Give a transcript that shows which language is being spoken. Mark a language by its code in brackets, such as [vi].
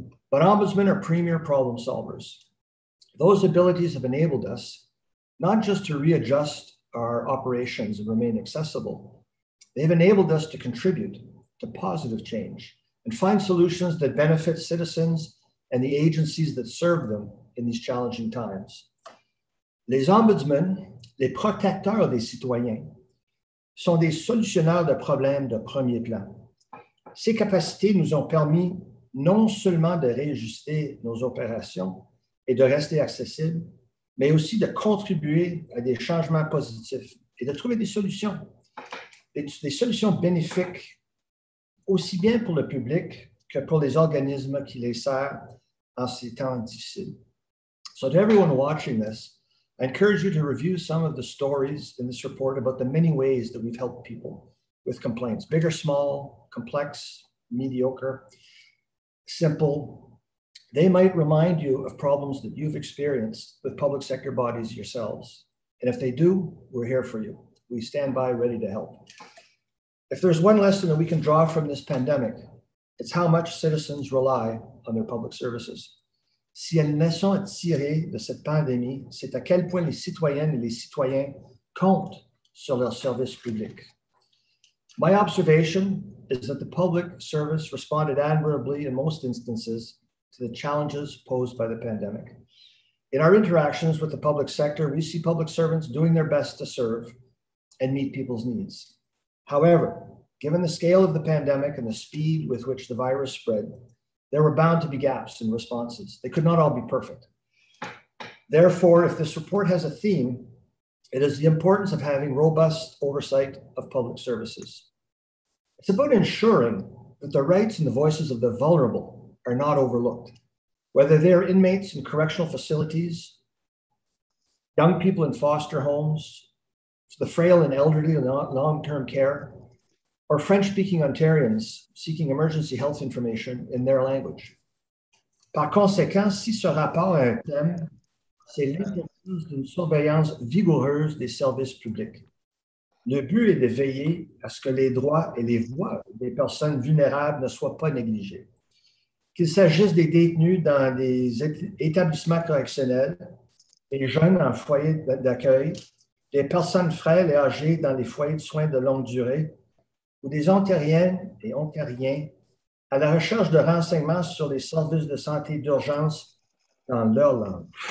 [en] But ombudsmen are premier problem solvers. Those abilities have enabled us not just to readjust our operations and remain accessible, they've enabled us to contribute to positive change and find solutions that benefit citizens and the agencies that serve them in these challenging times. [fr] Les ombudsmen, les protecteurs des citoyens, sont des solutionneurs de problèmes de premier plan. Ces capacités nous ont permis non seulement de réajuster nos opérations et de rester accessibles, mais aussi de contribuer à des changements positifs et de trouver des solutions, des solutions bénéfiques aussi bien pour le public que pour les organismes qui les servent en ces temps difficiles. [en] So to everyone watching this, I encourage you to review some of the stories in this report about the many ways that we've helped people with complaints, big or small, complex, mediocre, simple. They might remind you of problems that you've experienced with public sector bodies yourselves. And if they do, we're here for you. We stand by ready to help. If there's one lesson that we can draw from this pandemic, it's how much citizens rely on their public services. [fr] Si une leçon est tirée de cette pandémie, c'est à quel point les citoyennes et les citoyens comptent sur leur service public. [en] My observation is that the public service responded admirably in most instances to the challenges posed by the pandemic. In our interactions with the public sector, we see public servants doing their best to serve and meet people's needs. However, given the scale of the pandemic and the speed with which the virus spread, there were bound to be gaps in responses. They could not all be perfect. Therefore, if this report has a theme, it is the importance of having robust oversight of public services. It's about ensuring that the rights and the voices of the vulnerable are not overlooked, whether they're inmates in correctional facilities, young people in foster homes, the frail and elderly in long-term care, or French-speaking Ontarians seeking emergency health information in their language. [fr] Par conséquent, si ce rapport est un thème, c'est l'importance d'une surveillance vigoureuse des services publics. Le but est de veiller à ce que les droits et les voix des personnes vulnérables ne soient pas négligés. Qu'il s'agisse des détenus dans des établissements correctionnels, des jeunes en foyer d'accueil, des personnes frêles et âgées dans les foyers de soins de longue durée, ou des Ontariennes et Ontariens à la recherche de renseignements sur les services de santé d'urgence dans leur langue.